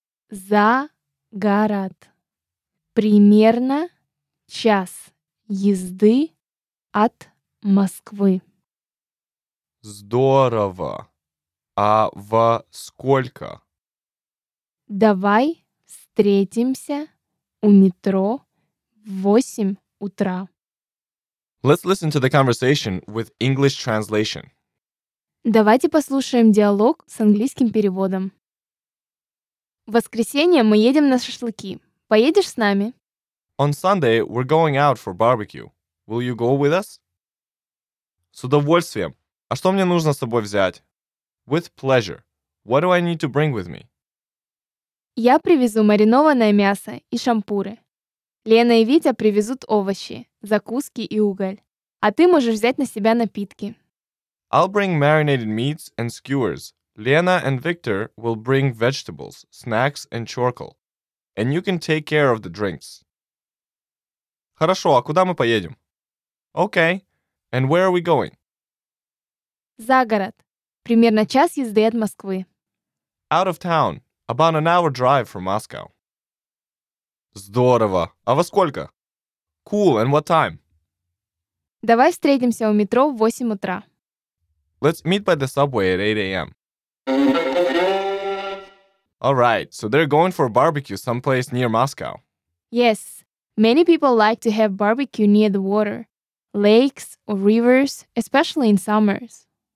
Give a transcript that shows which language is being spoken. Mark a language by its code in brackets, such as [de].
[ru] За город. Примерно час езды от Москвы. Здорово. А во сколько? Давай встретимся у метро в 8 утра. [en] Let's listen to the conversation with English translation. [ru] Давайте послушаем диалог с английским переводом. В воскресенье мы едем на шашлыки. Поедешь с нами? [en] On Sunday, we're going out for barbecue. Will you go with us? [ru] С удовольствием. А что мне нужно с собой взять? [en] With pleasure. What do I need to bring with me? [ru] Я привезу маринованное мясо и шампуры. Лена и Витя привезут овощи, закуски и уголь. А ты можешь взять на себя напитки. [en] I'll bring marinated meats and skewers. Lena and Victor will bring vegetables, snacks and charcoal. And you can take care of the drinks. [ru] Хорошо, а куда мы поедем? [en] Okay, and where are we going? [ru] За город. Примерно час езды от Москвы. [en] Out of town. About an hour drive from Moscow. [ru] Здорово. А во сколько? [en] Cool, and what time? [ru] Давай встретимся у метро в 8 утра. [en] Let's meet by the subway at 8 a.m. All right, so they're going for a barbecue someplace near Moscow. Yes, many people like to have barbecue near the water, lakes or rivers, especially in summers.